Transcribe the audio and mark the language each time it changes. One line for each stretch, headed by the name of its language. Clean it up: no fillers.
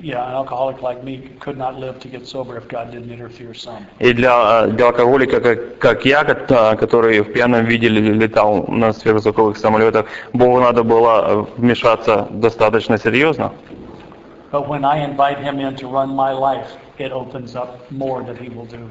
English: Yeah, an alcoholic like me could not live to get sober if God didn't interfere some.
Russian: И для алкоголика как я, который в пьяном виде летал на сверхзвуковых самолетах, Богу надо было вмешаться достаточно серьезно.
English: But when I invite him in to run my life, it opens up more that he will do.